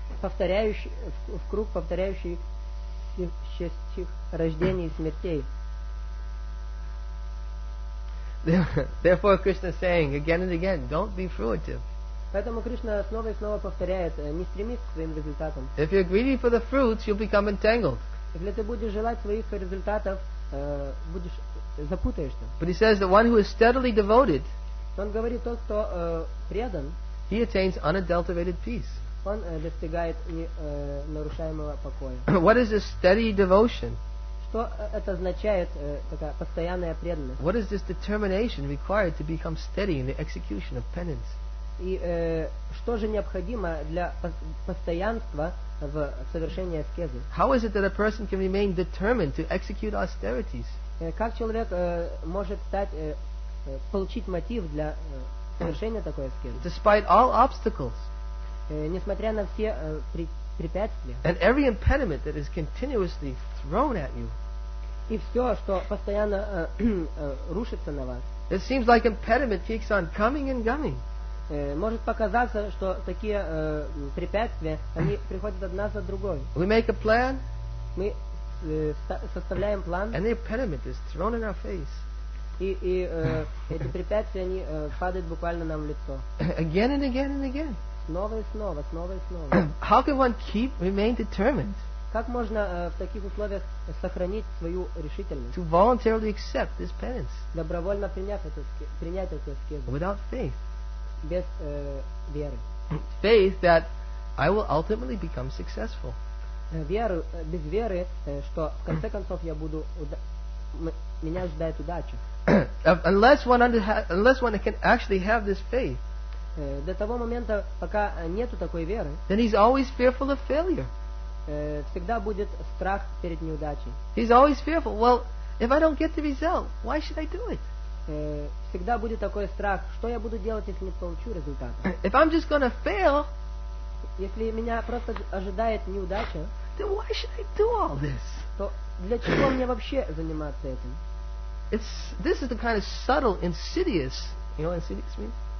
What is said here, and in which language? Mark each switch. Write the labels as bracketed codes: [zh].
[ru] повторяющий, в круг повторяющий стих рождений и смертей. [en] Therefore, Krishna is saying again and again, don't be fruitive. [ru] Поэтому Кришна снова и снова повторяет: не стремись к своим результатам. [en] If you're greedy for the fruits, you'll become entangled. [ru] Если ты будешь желать своих результатов, будешь запутаешься. [en] But he says that one who is steadily devoted, [ru] он говорит, тот, кто предан, [en] he attains unadulterated peace. [ru] Он достигает нарушаемого покоя. [en] What is this steady devotion? [ru] Что это означает, такая постоянная преданность? [en] What is this determination required to become steady in the execution of penance? [ru] И что же необходимо для постоянства в совершении аскезы? [en] How is it that a person can remain determined to execute austerities? [ru] Как человек может стать получить мотив для совершения такой аскезы? [en] Despite all obstacles. [ru] Несмотря на все препятствия. [en] And every impediment that is continuously thrown at you. [ru] И все, что постоянно рушится на вас. [en] It seems like impediment keeps on coming and going. [ru] Может показаться, что такие препятствия, они приходят одна за другой. [en] We make a plan. [ru] Мы составляем план. [en] And the impediment is thrown in our face. [ru] И эти препятствия, они падают буквально нам в лицо. [en] Again and again and again. [ru] Снова и снова, снова и снова. [en] How can one keep remain determined? [ru] Как можно в таких условиях сохранить свою решительность? [en] To voluntarily accept this penance. [ru] Добровольно принять эту аскезу. [en] Without faith. [ru] Без веры. [en] Faith that I will ultimately become successful. [ru] Веру, без веры, что в конце концов я буду меня ждет удача. [en] Unless one can actually have this faith. [ru] До того момента, пока нету такой веры. [en] Then he's always fearful of failure. [ru] Всегда будет страх перед неудачей. [en] He's always fearful. Well, if I don't get the result, why should I do it? [ru] Всегда будет такой страх. Что я буду делать, если не получу результата? [en] If I'm just gonna fail, [ru] если меня просто ожидает неудача, [en] then why should I do all this? [ru] То для чего мне вообще заниматься этим? [en] This is the kind of subtle, insidious. You know what insidious means?